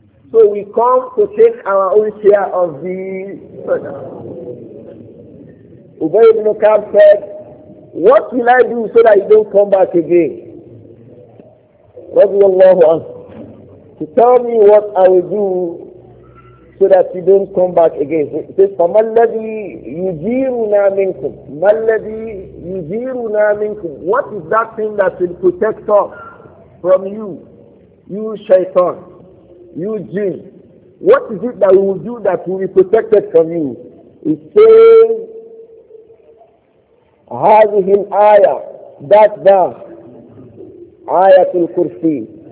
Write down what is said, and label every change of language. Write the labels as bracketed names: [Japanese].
[English] So we come to take our own share of the sadaqah. Ubay ibn Ka'ab said, what will I do so that you don't come back again? Radiallahu anhu. Tell me what I will do so that you don't come back again. It says, [Arabic] فَمَا الَّذِي يُجِيرُنَا مِنْكُمْ مَا الَّذِي يُجِيرُنَا مِنْكُمْ. [English] What is that thing that will protect us from you? You shaitan, you jinn. What is it that we will do that will be protected from you? It says, [Arabic] هَذِهِ الْآيَةِ [English] That's the آيَةُ الْكُرْسِي.